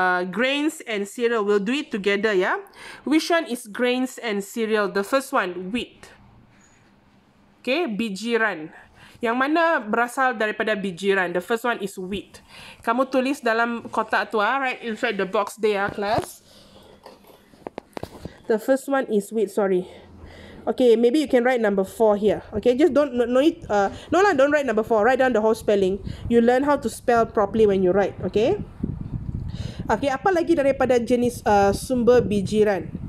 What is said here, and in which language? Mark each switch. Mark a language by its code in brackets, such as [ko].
[en] Grains and cereal. We'll do it together, yeah? Which one is grains and cereal? The first one, wheat. Okay, [ms] bijiran. Yang mana berasal daripada bijiran? [en] The first one is wheat. [ms] Kamu tulis dalam kotak tu, [en] right inside the box there, class. The first one is wheat, sorry. Okay, maybe you can write number 4 here. Okay, just don't don't write number 4. Write down the whole spelling. You learn how to spell properly when you write, okay? [ms] Okay, apa lagi daripada jenis sumber bijiran?